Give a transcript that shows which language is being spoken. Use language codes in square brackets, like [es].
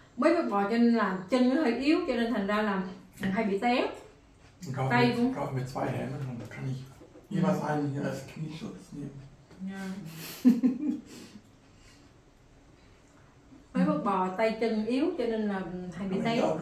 [vi] Mới biết bò cho nên là chân nó hơi yếu, cho nên thành ra là hay bị té. Tay cũng. [de] Ich kaufe mir zwei Hände und dann kann ich jeweils einen hier als Knieschutz nehmen. [vi] Mới biết bò tay chân yếu cho nên là hay bị té.